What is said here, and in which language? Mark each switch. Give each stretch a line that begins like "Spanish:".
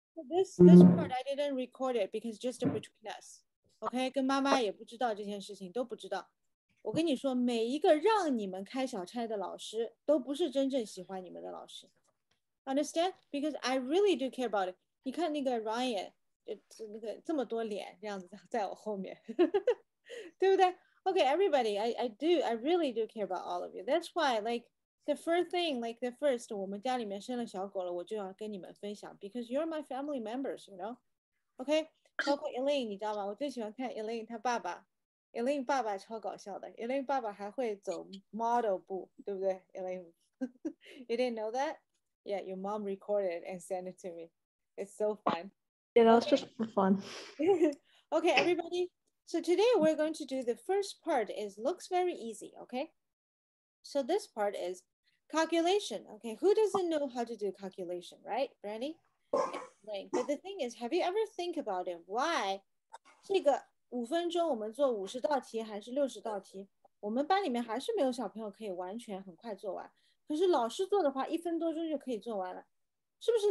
English: This part I didn't record it because just between us, OK？
Chinese: 跟妈妈也不知道这件事情，都不知道。我跟你说，每一个让你们开小差的老师，都不是真正喜欢你们的老师。
English: Understand? Because I really do care about it。
Chinese: 你看那个 Ryan，这么多脸这样子在我后面，对不对？
English: OK，everybody，I do I really do care about all of you。 That's why like the first thing like the first，
Chinese: 我们家里面生了小狗了，我就要跟你们分享，
English: because you're my family members，you know？OK，
Chinese: 包括 Elaine，你知道吗？我最喜欢看 Elaine 她爸爸。Elaine 爸爸超搞笑的，Elaine 爸爸还会走 model 步，对不对？Elaine，
English: you didn't know that? Yeah, your mom recorded and sent it to me. It's so fun. It was just for fun. Okay, everybody. So today we're going to do the first part is looks very easy, okay? So this part is calculation. Okay, who doesn't know how to do calculation, right, Brandy? Elaine. But the thing is, have you ever think about it? Why?
Chinese: 5分钟，我们做50道题还是60道题？我们班里面还是没有小朋友可以完全很快做完。可是老师做的话，1分多钟就可以做完了，是不是？